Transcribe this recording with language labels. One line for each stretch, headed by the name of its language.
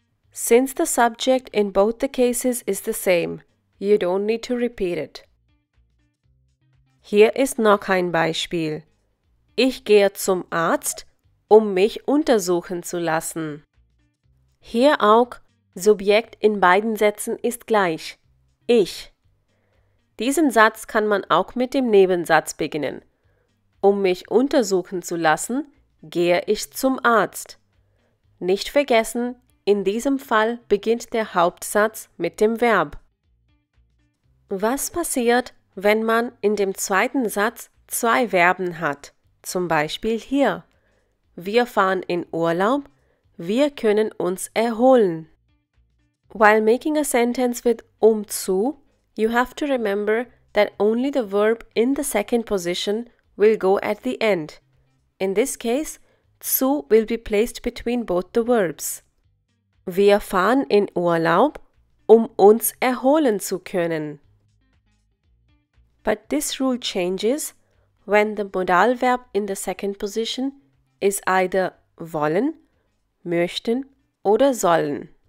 English: Since the subject in both the cases is the same, you don't need to repeat it.
German: Hier ist noch ein Beispiel. Ich gehe zum Arzt, um mich untersuchen zu lassen. Hier auch, Subjekt in beiden Sätzen ist gleich. Ich. Diesen Satz kann man auch mit dem Nebensatz beginnen. Um mich untersuchen zu lassen, gehe ich zum Arzt. Nicht vergessen, in diesem Fall beginnt der Hauptsatz mit dem Verb. Was passiert, wenn man in dem zweiten Satz zwei Verben hat? Zum Beispiel hier. Wir fahren in Urlaub, wir können uns erholen.
English: While making a sentence with um zu, you have to remember that only the verb in the second position will go at the end. In this case, zu will be placed between both the verbs.
German: Wir fahren in Urlaub, um uns erholen zu können.
English: But this rule changes when the Modalverb in the second position is either wollen, möchten oder sollen.